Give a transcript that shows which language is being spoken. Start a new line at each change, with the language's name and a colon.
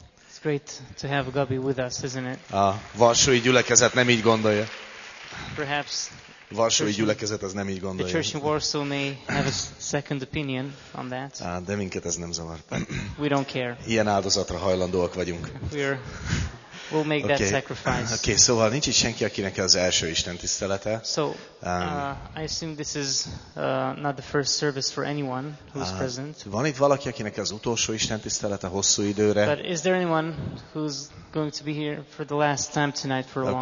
English: It's great to have Gabi with us, isn't it?
Hungarian: A Varsói gyülekezet nem így gondolja.
English: Perhaps.
Hungarian: Varsói gyülekezet az nem így gondolja.
English: The church in Warsaw may have a second opinion on that.
Hungarian: De minket ez nem zavar.
English: We don't care.
Hungarian: Ilyen áldozatra hajlandóak vagyunk.
English: We'll make that sacrifice.
Hungarian: Okay, szóval nincs itt senki, akinek az első istentisztelete.
English: So, I assume this is not the first service for anyone who's present.
Hungarian: Van itt valaki, akinek az utolsó istentisztelete hosszú időre?
English: But is there anyone who's going to be here for the last time tonight for a long